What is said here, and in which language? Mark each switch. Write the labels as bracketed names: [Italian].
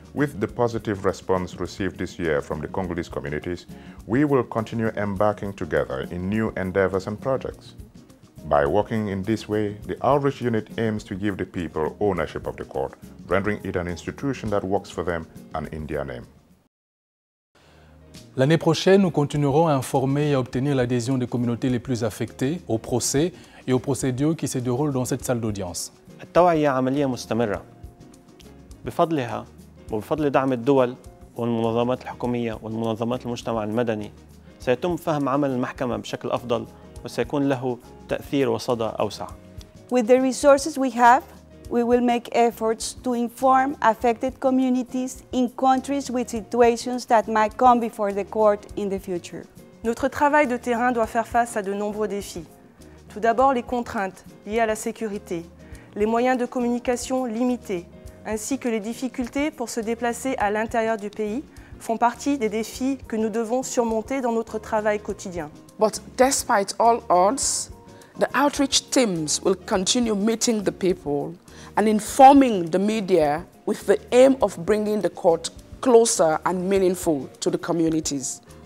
[English] With the positive response received this year from the Congolese communities, we will continue embarking together in new endeavors and projects. By working in this way, the outreach unit aims to give the people ownership of the court, rendering it an institution that works for them and in their name. [French] L'année prochaine, nous continuerons à informer et à obtenir l'adhésion des communautés les plus affectées au procès et aux procédures qui se déroulent dans cette salle d'audience. [Arabic] التوعية عملية مستمرة. بفضلها وبفضل دعم الدول والمنظمات الحكومية والمنظمات المجتمع المدني سيتم فهم عمل المحكمة بشكل أفضل وسيكون له تأثير وصدى أوسع. [English] With the resources we have, we will make efforts to inform affected communities in countries with situations that might come before the court in the future. [French] Notre travail de terrain doit faire face à de nombreux défis. Tout d'abord, les contraintes liées à la sécurité, les moyens de communication limités, ainsi que les difficultés pour se déplacer à l'intérieur du pays font partie des défis que nous devons surmonter dans notre travail quotidien. [English] But despite all odds, the outreach teams will continue meeting the people and informing the media with the aim of bringing the court closer and meaningful to the communities.